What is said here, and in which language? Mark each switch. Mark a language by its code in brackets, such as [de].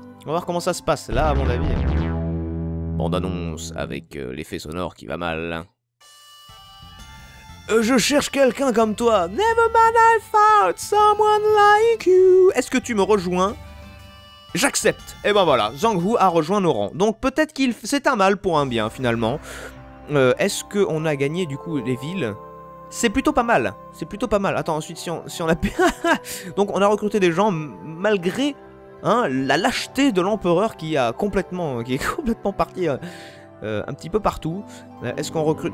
[fr] On va voir comment ça se passe, là, à mon avis. Bande annonce avec l'effet sonore qui va mal. Je cherche quelqu'un comme toi. [en] Never mind, I found someone like you. [fr] Est-ce que tu me rejoins? J'accepte. Et ben voilà, Zhang Hu a rejoint nos rangs. Donc peut-être qu'il c'est un mal pour un bien, finalement. Est-ce qu'on a gagné, du coup, les villes? C'est plutôt pas mal. C'est plutôt pas mal. Attends, ensuite, si on a... Donc on a recruté des gens malgré... Hein, la lâcheté de l'empereur qui est complètement parti un petit peu partout. Est-ce qu'on recrute?